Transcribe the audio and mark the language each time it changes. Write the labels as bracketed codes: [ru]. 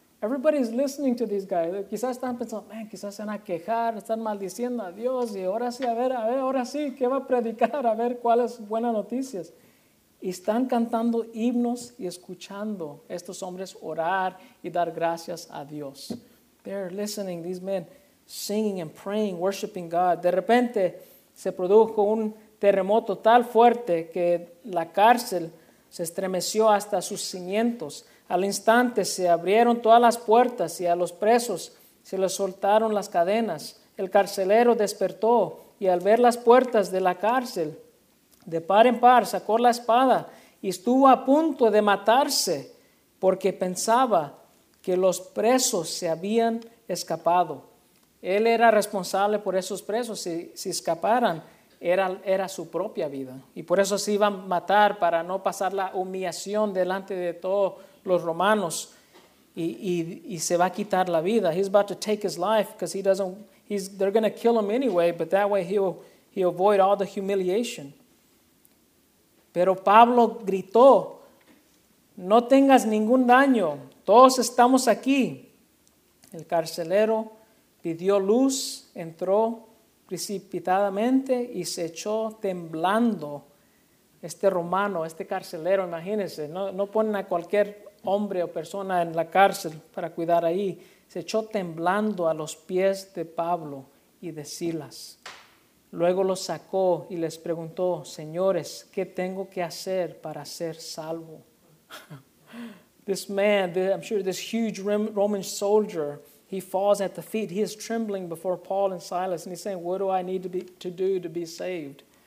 [en] Everybody's listening to these guys. [es] Quizás están pensando, man, quizás se van a quejar, están maldiciendo a Dios, y ahora sí, a ver, ahora sí, ¿qué va a predicar? A ver, ¿cuáles buenas noticias? Y están cantando himnos y escuchando estos hombres orar y dar gracias a Dios. [en] They're listening, these men, singing and praying, worshiping God. [es] De repente, se produjo un terremoto tan fuerte que la cárcel se estremeció hasta sus cimientos. Al instante se abrieron todas las puertas y a los presos se les soltaron las cadenas. El carcelero despertó y al ver las puertas de la cárcel, de par en par sacó la espada y estuvo a punto de matarse porque pensaba que los presos se habían escapado. Él era responsable por esos presos. Si escaparan, era su propia vida. Y por eso se iban a matar, para no pasar la humillación delante de todos los romanos. Y se va a quitar la vida. [en] He's about to take his life because they're going to kill him anyway, but that way he'll avoid all the humiliation. [es] Pero Pablo gritó, no tengas ningún daño, todos estamos aquí. El carcelero pidió luz, entró precipitadamente y se echó temblando. Este romano, este carcelero, imagínense, no ponen a cualquier hombre o persona en la cárcel para cuidar ahí. Se echó temblando a los pies de Pablo y de Silas. Luego los sacó y les preguntó, señores, ¿qué tengo que hacer para ser salvo? [en] This man, I'm sure this huge Roman soldier, he falls at the feet. He is trembling before Paul and Silas. And he's saying, what do I need to be saved?